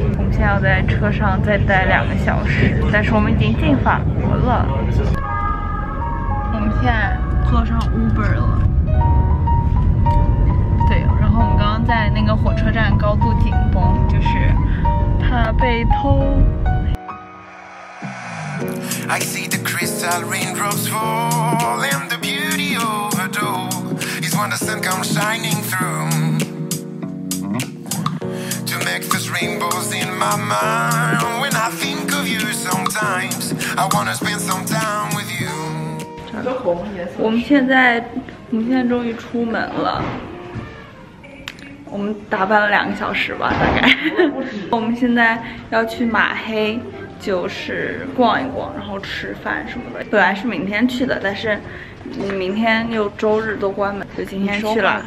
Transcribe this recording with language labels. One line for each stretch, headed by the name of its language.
Chinese: 我们现在要在车上再待2个小时，但是我们已经进法国了。我们现在坐上 Uber 了。对，然后我们刚刚在那个火车站高度紧绷，就是怕被偷。
English: I see the crystal raindrops fall and the beauty of a door is when the sun comes shining through. Rainbows in my mind when I think of you sometimes. I wanna spend some time with you.
Chinese: 我们现在终于出门了。我们打扮了2个小时吧，大概。我们现在要去马黑，就是逛一逛，然后吃饭什么的。本来是明天去的，但是明天又周日都关门，就今天去了。